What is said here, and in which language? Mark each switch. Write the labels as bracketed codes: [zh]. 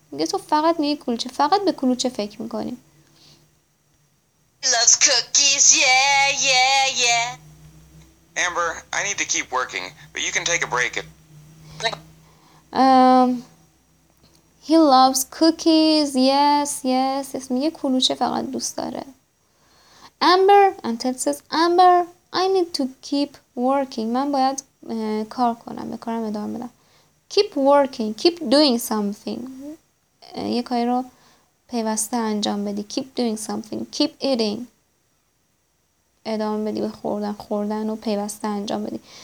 [fa] میگه تو فقط میگی کلوچه، فقط به کلوچه فکر میکنی. [en] Loves cookies, yeah. Amber, I need to keep working, but you can take a break. He loves cookies, yes. [fa] میگه کلوچه فقط دوست داره. [en] Amber, and Ted says, Amber, I need to keep working. [fa] من باید کار کنم، به کارم ادامه بدم. [en] Keep working, keep doing something. [fa] یه کاری رو پیوسته انجام بدی. [en] Keep doing something. Keep eating. [fa] ادامه بدی به خوردن. خوردن رو پیوسته انجام بدی.